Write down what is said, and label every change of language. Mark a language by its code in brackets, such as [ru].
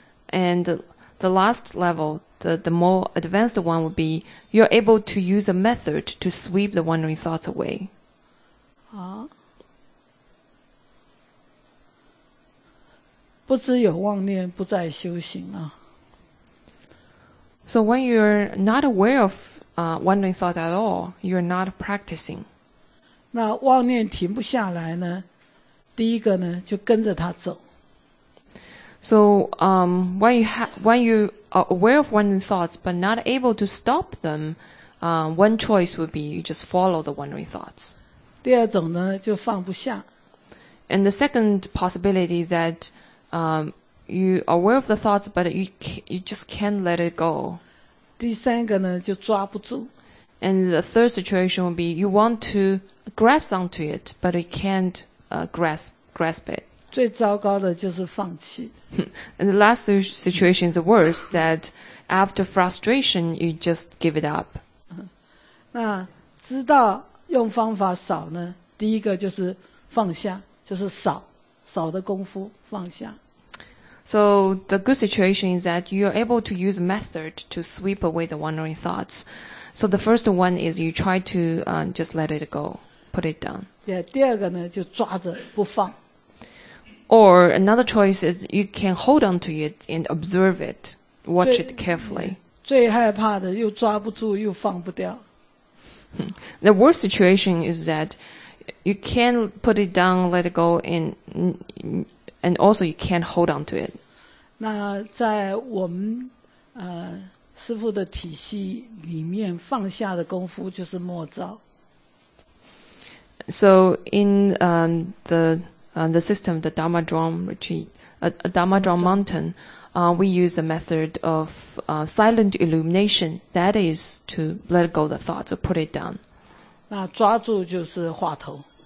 [en] And the last level, the more advanced one would be, you're able to use a method to sweep the wandering thoughts away. [zh] 好，不知有妄念，不在修行啊。 [en] So when you're not aware of wandering thought at all, you're not practicing. [zh] 那妄念停不下来呢？第一个呢，就跟着它走。 [en] So when you are aware of wandering thoughts but not able to stop them, one choice would be you just follow the wandering thoughts. [zh] 第二种呢，就放不下。 [en] And the second possibility is that you are aware of the thoughts but you just can't let it go. [zh] 第三个呢，就抓不住。 [en] And the third situation would be you want to grasp onto it but you can't grasp it. [zh] 最糟糕的就是放弃。 [en] And the last situation is the worst, that after frustration, you just give it up. [zh] 那知道用方法少呢，第一个就是放下，就是少，少的功夫放下。 [en] So the good situation is that you are able to use a method to sweep away the wandering thoughts. So the first one is you try to just let it go, put it down. [zh] Yeah, 第二个呢，就抓着不放。 [en] Or another choice is you can hold on to it and observe it, watch it carefully. [zh] 最害怕的又抓不住又放不掉。 [en] The worst situation is that you can't put it down, let it go, and also you can't hold on to it. [zh] 那在我们师父的体系里面放下的功夫就是默照。 [en] So in the system, the Dharma Drum Retreat, Dharma Drum Mountain, we use a method of silent illumination. That is to let go the thought, to put it down. [zh] 那抓住就是话头。